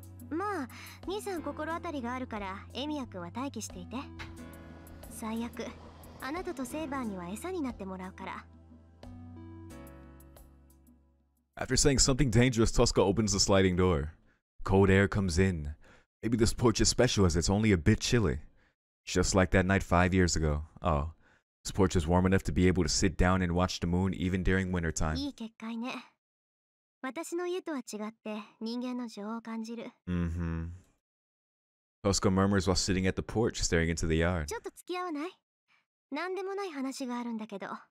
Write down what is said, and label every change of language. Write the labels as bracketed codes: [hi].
[ja] まあ、兄さん心当たりがあるからエミヤ君は待機していて。最悪、あなたとセイバーには餌になってもらうから。 [en] After saying something dangerous, Tosca opens the sliding door. Cold air comes in. Maybe this porch is special as it's only a bit chilly. Just like that night 5 years ago. Oh, this porch is warm enough to be able to sit down and watch the moon even during winter time. [ja] いい結界ね。私の家とは違って人間の情を感じる。 [en] Tosca murmurs while sitting at the porch, staring into the yard. [ja] ちょっと付き合わない？何でもない話があるんだけど。